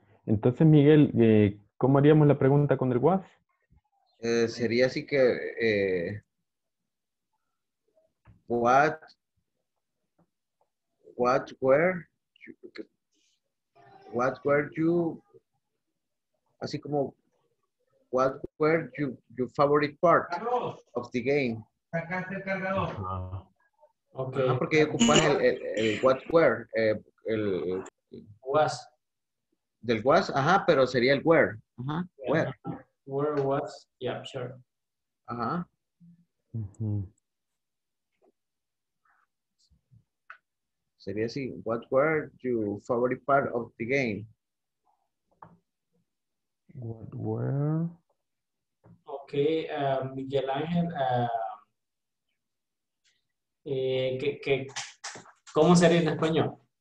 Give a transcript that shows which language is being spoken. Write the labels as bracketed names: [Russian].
[Spanish] Entonces, Miguel, ¿cómo haríamos la pregunta con el WAS? Sería así que [English] what were you [Spanish] así como [English] what were your favorite part of the game? [Spanish] Sacaste el cargador. Okay. No, porque ocupas el [English] what were [Spanish] el [English] WAS. [Spanish] Del was, ajá, pero sería el where. Ajá, yeah. Where. [English] Where was, yeah, sure. Ajá. Mm-hmm. [Spanish] Sería así, [English] what were your favorite part of the game? What were? [Spanish] Okay, Miguel Ángel, que, ¿cómo sería en español?